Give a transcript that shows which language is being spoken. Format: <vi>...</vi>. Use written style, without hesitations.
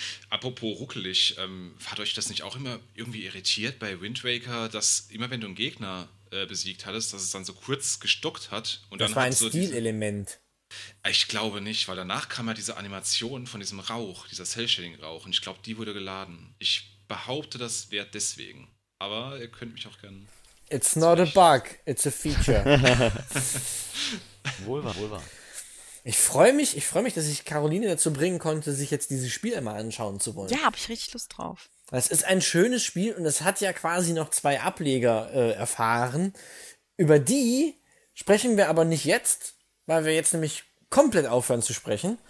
<de>Apropos ruckelig, hat euch das nicht auch immer irgendwie irritiert bei Wind Waker, dass immer wenn du einen Gegner besiegt hattest, dass es dann so kurz gestockt hat? Und das dann war hat ein so Stilelement. Ich glaube nicht, weil danach kam ja diese Animation von diesem Rauch, dieser Cell-Shading-Rauch und ich glaube, die wurde geladen. Ich behaupte, das wäre deswegen. Aber ihr könnt mich auch gerne...</de> <en>It's not a bug, it's a feature.</en> <de>Wohl wahr. Ich freue mich, dass ich Caroline dazu bringen konnte, sich jetzt dieses Spiel einmal anschauen zu wollen. Ja, habe ich richtig Lust drauf. Es ist ein schönes Spiel und es hat ja quasi noch zwei Ableger erfahren. Über die sprechen wir aber nicht jetzt, weil wir jetzt nämlich komplett aufhören zu sprechen.</de>